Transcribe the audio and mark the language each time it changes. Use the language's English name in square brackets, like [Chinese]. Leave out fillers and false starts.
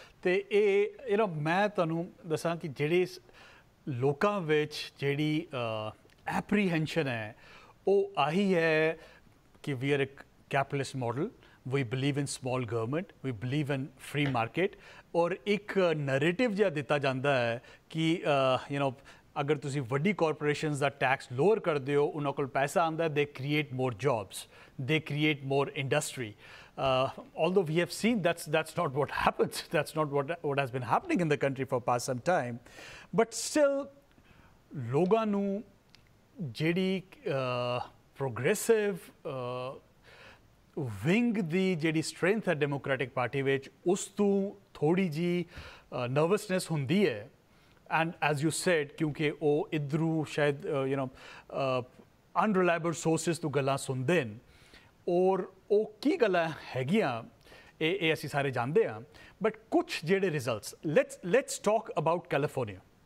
[Punjabi] Te eh, [English] you know, [Punjabi] main tuhanu dassan ki jehde ਲੋਕਾਂ ਵਿੱਚ ਜਿਹੜੀ ਐਪਰੀਹੈਂਸ਼ਨ ਹੈ ਉਹ ਆਹੀ ਹੈ ਕਿ [English] We are a capitalist model, we believe in small government, we believe in free market. [Punjabi] ਔਰ ਇੱਕ ਨਰੇਟਿਵ ਜਿਹਾ ਦਿੱਤਾ ਜਾਂਦਾ ਹੈ ਕਿ ਯੂ ਨੋ ਅਗਰ ਤੁਸੀਂ ਵੱਡੀ ਕਾਰਪੋਰੇਸ਼ਨਸ ਦਾ ਟੈਕਸ ਲੋਅਰ ਕਰਦੇ ਹੋ ਉਹਨਾਂ ਕੋਲ ਪੈਸਾ ਆਉਂਦਾ, [English] They create more jobs, they create more industry. Although we have seen that's not what happens, that's not what has been happening in the country for past some time, but still [Punjabi] ਲੋਕਾਂ ਨੂੰ ਜਿਹੜੀ ਪ੍ਰੋਗਰੈਸਿਵ ਵਿੰਗ ਦੀ ਜਿਹੜੀ ਸਟਰੈਂਥ ਹੈ democratic party ਵਿੱਚ ਉਸ ਤੋਂ ਥੋੜ੍ਹੀ ਜਿਹੀ ਨਰਵਸਨੈਸ ਹੁੰਦੀ ਹੈ. [English] and as you said, [Punjabi] ਕਿਉਂਕਿ ਉਹ ਇੱਧਰੋਂ ਸ਼ਾਇਦ ਯੂ ਨੋ ਅਨਰਿਲਾਇਬਲ ਸੋਰਸਿਸ ਤੋਂ ਗੱਲਾਂ ਸੁਣਦੇ ਹਨ, ਔਰ ਉਹ ਕੀ ਗੱਲਾਂ ਹੈਗੀਆਂ ਇਹ ਅਸੀਂ ਸਾਰੇ ਜਾਣਦੇ ਹਾਂ. [English] but [Punjabi] ਕੁਛ ਜਿਹੜੇ [English] Results, let's talk about California.